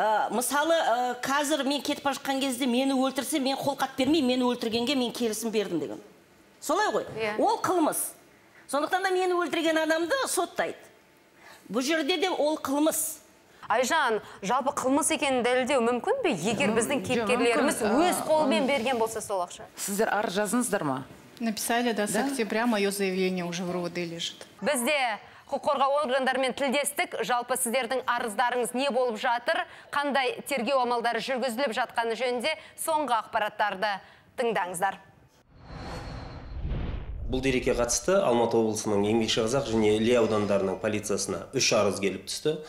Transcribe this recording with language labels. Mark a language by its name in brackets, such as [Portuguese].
[Kazakh] Мысалы, қазір мен кетіп жатқан кезде мені өлтірсе, мен қолхат бермей, мені өлтіргенге мен келісім бердім деген. Солай ғой. Ол қылмыс. Сондықтан да мені өлтірген адамды соттайды. Бұл жерде де ол қылмыс. Айжан, жалпы қылмыс екенін дәлелдеу мүмкін бе? Егер біздің кейіпкерлеріміз өз қолымен берген болса сол ақша. Сіздер ар жазыңыздар ма? [Russian] Написали, да, с октября мое заявление уже в РУВД лежит. [Kazakh] Бізде құқық қорғау органдарымен тілдестік. Жалпы сіздердің арыздарыңыз не болып жатыр? Қандай тергеу амалдары жүргізіліп жатқаны жөнінде соңғы ақпараттарды тыңдаңыздар. Бұл дереке қатысты Алматы облысының Еңбекші Қазақ және Іле аудандарының полициясына 3 арыз келіп түсті.